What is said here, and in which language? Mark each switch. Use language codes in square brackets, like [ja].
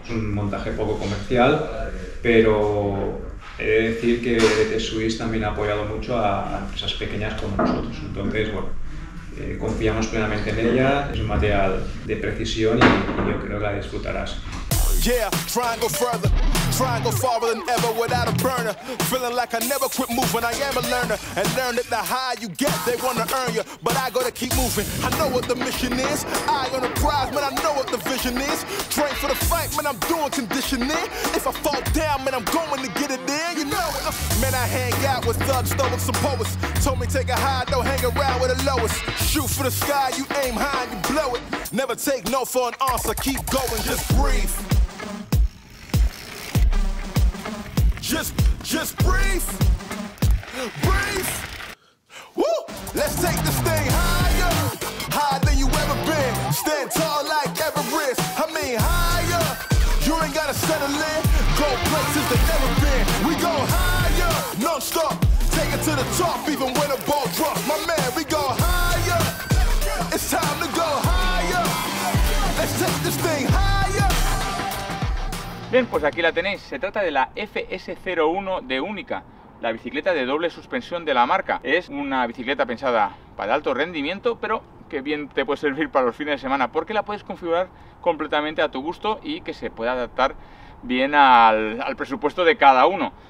[es] Es un montaje poco comercial, pero he de decir que DT-Swiss también ha apoyado mucho a empresas pequeñas como nosotros. Entonces, bueno, confiamos plenamente en ella. Es un material de precisión y yo creo que la disfrutarás. [en] Yeah, try and go further. Try and go farther than ever without a burner. Feeling like I never quit moving. I am a learner. And learn that the higher you get, they wanna earn you. But I gotta keep moving. I know what the mission is. Eye on the prize, man, I know what the vision is. Train for the fight, man, I'm doing conditioning. If I fall down, man, I'm going to get it in. You know it. Man, I hang out with thugs, stoics, and poets. Told me take a high, don't hang around with the lowest. Shoot for the sky, you aim high and you blow it. Never take no for an answer. Keep going, just breathe. Just breathe. Breathe. Woo! Let's take this thing higher. Higher than you ever been. Stand tall like Everest. I mean higher. You ain't gotta settle in. Go places they never been. We go higher. Non-stop. Take it to the top even when the ball drops. My man, we go higher. It's time to go higher. Let's take this thing higher. [es] Bien, pues aquí la tenéis. Se trata de la FS01 de Única, la bicicleta de doble suspensión de la marca. Es una bicicleta pensada para alto rendimiento, pero que bien te puede servir para los fines de semana, porque la puedes configurar completamente a tu gusto y que se pueda adaptar bien al presupuesto de cada uno.